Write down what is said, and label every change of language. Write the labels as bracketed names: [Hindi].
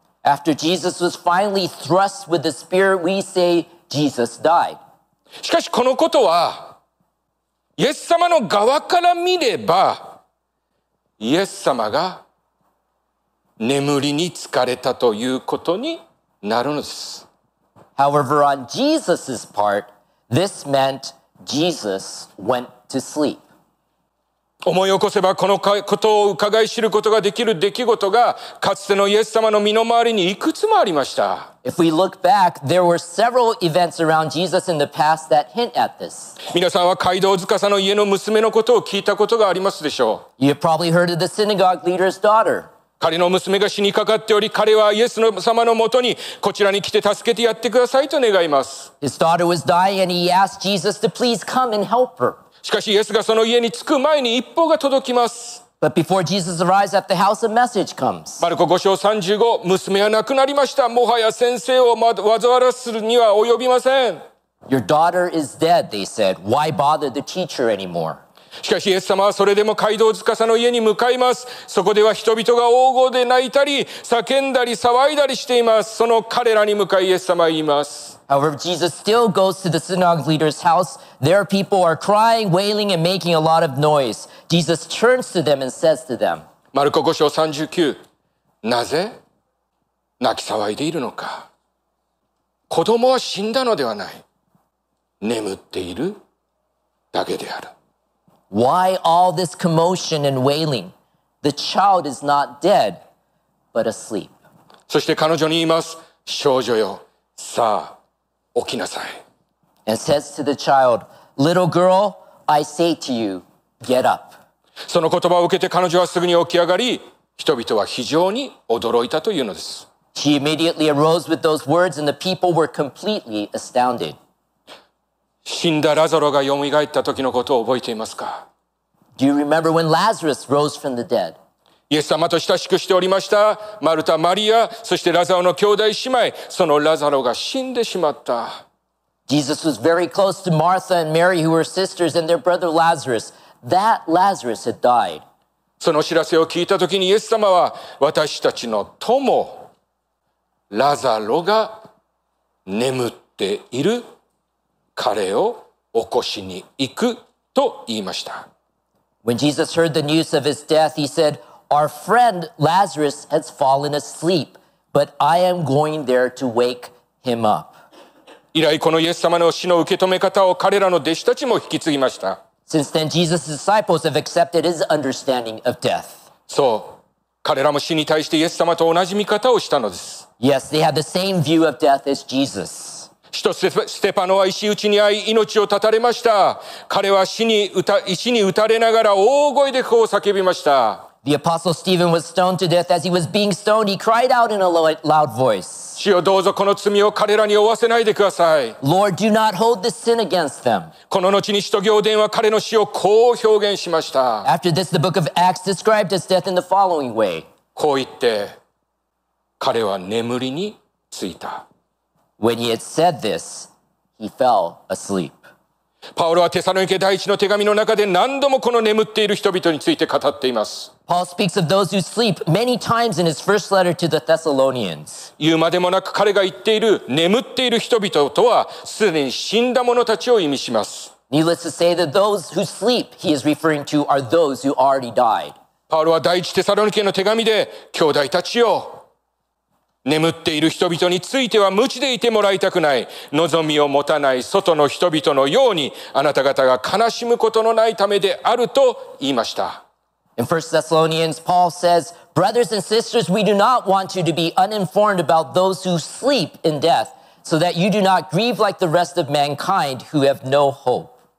[English] After Jesus was finally thrust with the spear, we say Jesus died. [Japanese] しかしこのことは、イエス様の側から見れば、イエス様が眠りに疲れたということになるのです。 [English] However, on Jesus's part, this meant Jesus went to sleep. [Japanese] 思い起こせばこのことを伺い知ることができる出来事がかつてのイエス様の身の回りにいくつもありました。 [English] If we look back, there were several events around Jesus in the past that hint at this. [Japanese] 皆さんは街道司の家の娘のことを聞いたことがありますでしょう。 [English] You probably heard of the synagogue leader's daughter. [Japanese] 彼の娘が死にかかっており、彼はイエス様のもとにこちらに来て助けてやってくださいと願います。 [English] His daughter was dying and he asked Jesus to please come and help her. [Japanese] しかしイエスがその家に着く前に一報が届きます。 [English] But before Jesus arrives at the house, a message comes. [Japanese] マルコ5章35、娘は亡くなりました。もはや先生をわざわらするには及びません。 [English] Your daughter is dead, they said. Why bother the teacher anymore? [Japanese] しかしイエス様はそれでも街道司の家に向かいます。そこでは人々が大声で泣いたり、叫んだり、騒いだりしています。その彼らに向かいイエス様は言います。 [English] However, Jesus still goes to the synagogue leader's house. Their people are crying, wailing, and making a lot of noise. Jesus turns to them and says to them, [Japanese] マルコ5章39、なぜ泣き騒いでいるのか。子供は死んだのではない。眠っているだけである。 [English] Why all this commotion and wailing? The child is not dead, but asleep. [Japanese] そして彼女に言います。少女よ、さあ、起きなさい。 [English] And says to the child, little girl, I say to you, get up. [Japanese] その言葉を受けて彼女はすぐに起き上がり、人々は非常に驚いたというのです。 [English] She immediately arose with those words and the people were completely astounded. [Japanese] 死んだラザロが蘇った時のことを覚えていますか? [English] Do you remember when Lazarus rose from the dead? [Japanese] イエス様と親しくしておりましたマルタ、マリア、そしてラザロの兄弟姉妹、そのラザロが死んでしまった。 [English] Jesus was very close to Martha and Mary, who were sisters, and their brother Lazarus. That Lazarus had died. [Japanese] その知らせを聞いた時にイエス様は、私たちの友、ラザロが眠っている彼を起こしに行くと言いました。 [English] When Jesus heard the news of his death, he said,Our friend Lazarus has fallen asleep, but I am going there to wake him up. [Japanese] 以来このイエス様の死の受け止め方を彼らの弟子たちも引き継ぎました。 [English] Since then, Jesus' disciples have accepted his understanding of death. [Japanese] そう、彼らも死に対してイエス様と同じ見方をしたのです。 [English] Yes, they had the same view of death as Jesus. [Japanese] 使徒ステパノは石打ちに遭い命を絶たれました。彼は石に打たれながら大声でこう叫びました。 [English] The apostle Stephen was stoned to death. As he was being stoned, he cried out in a loud voice. [Japanese] 主よ、どうぞこの罪を彼らに負わせないでください。 [English] Lord, do not hold this sin against them. [Japanese] この後に使徒行伝は彼の死をこう表現しました。 [English] After this, the book of Acts described his death in the following way. [Japanese] こう言って、彼は眠りについた。 [English] When he had said this, he fell asleep. [Japanese] パウロはテサロニケ第一の手紙の中で何度もこの眠っている人々について語っています。 [English] Paul speaks of those who sleep many times in his first letter to the Thessalonians. [Japanese] 言うまでもなく彼が言っている眠っている人々とはすでに死んだ者たちを意味します。 [English] Needless to say that those who sleep he is referring to are those who already died. [Japanese] パウロは第一テサロニケの手紙で兄弟たちよ。眠っている人々については無知でいてもらいたくない。望みを持たない外の人々のように、あなた方が悲しむことのないためであると言いました。 [English] In 1 Thessalonians, Paul says, Brothers and sisters, we do not want you to be uninformed about those who sleep in death, so that you do not grieve like the rest of mankind who have no hope.